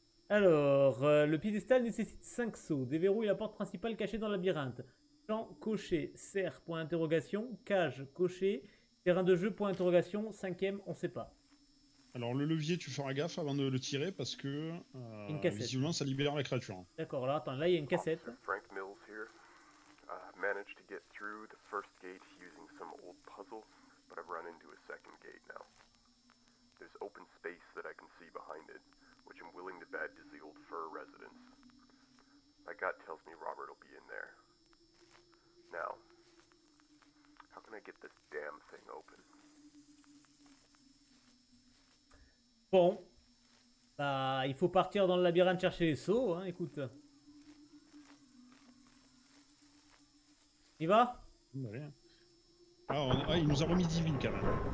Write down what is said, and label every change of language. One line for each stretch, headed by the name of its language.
French: Alors, le piédestal nécessite 5 sauts. Déverrouille la porte principale cachée dans le labyrinthe. Champ coché, serre, point d'interrogation. Cage coché, terrain de jeu, point d'interrogation. Cinquième, on sait pas. Alors le levier, tu feras gaffe avant de le tirer parce que visiblement ça libère la créature. D'accord, là, attends, là il y a une cassette.
English: Frank Mills here. Managed to get through the first gate using some old puzzle, but I've run into a second gate now. There's open space that I can see behind it, which I'm willing to bet is the old fur residence. My gut tells me Robert will be in there. Now, how can I get this damn thing open?
French: Bon, bah, il faut partir dans le labyrinthe chercher les sceaux, hein, écoute. Y va ? Ouais. Ah, il nous a remis 10 000 quand même.